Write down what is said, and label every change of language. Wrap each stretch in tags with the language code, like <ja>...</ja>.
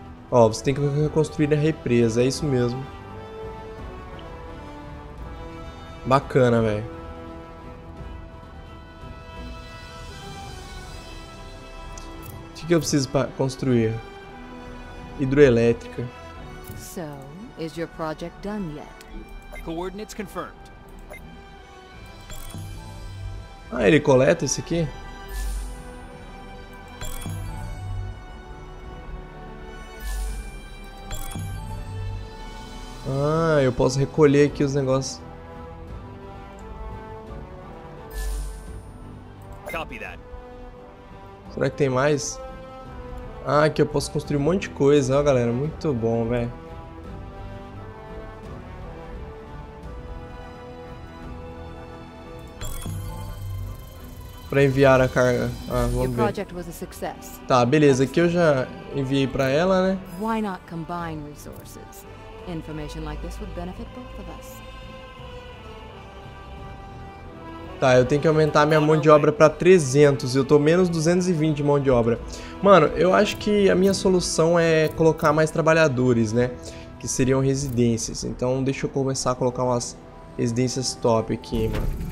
<pt>Ó, você tem que reconstruir a represa, é isso mesmo. Bacana, velho. O que eu preciso para construir? hidroelétrica.</pt> <en>So, is your project done yet? Coordinates confirmed.</en> <pt>Ah, ele coleta esse aqui? Ah, eu posso recolher aqui os negócios.</pt> <en>Copy that.</en> <pt>Será que tem mais? Ah, aqui eu posso construir um monte de coisa, ó, galera. Muito bom, velho. Pra enviar a carga. Ah, vamos ver.</pt> <en>Project was a success.</en> <pt>Tá, beleza. Aqui eu já enviei pra ela, né?</pt> <en>Why not combine resources? Information like this would benefit both of us.</en> <pt>Tá, eu tenho que aumentar minha mão de obra para 300. Eu tô menos 220 de mão de obra. Mano, eu acho que a minha solução é colocar mais trabalhadores, né? Que seriam residências. Então, deixa eu começar a colocar umas residências top aqui, mano.</pt>